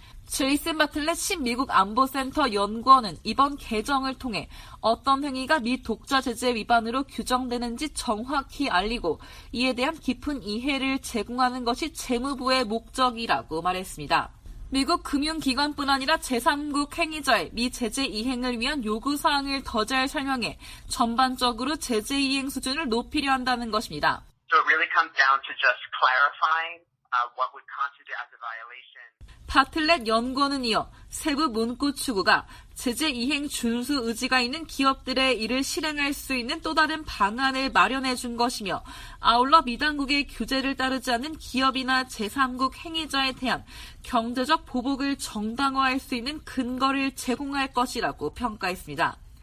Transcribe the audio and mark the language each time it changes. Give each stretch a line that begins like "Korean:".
Korean: 제이슨 바틀렛 신미국 안보센터 연구원은 이번 개정을 통해 어떤 행위가 미 독자 제재 위반으로 규정되는지 정확히 알리고 이에 대한 깊은 이해를 제공하는 것이 재무부의 목적이라고 말했습니다. 미국 금융기관뿐 아니라 제3국 행위자의 미 제재 이행을 위한 요구사항을 더 잘 설명해 전반적으로 제재 이행 수준을 높이려 한다는 것입니다.
English: So it really comes down to just clarifying what would constitute as a violation.
Korean: 바틀렛 연구원은 이어 세부 문구 추구가 제재 이행 준수 의지가 있는 기업들의 이를 실행할 수 있는 또 다른 방안을 마련해 준 것이며 아울러 미 당국의 규제를 따르지 않는 기업이나 제3국 행위자에 대한 경제적 보복을 정당화할 수 있는 근거를 제공할 것이라고 평가했습니다.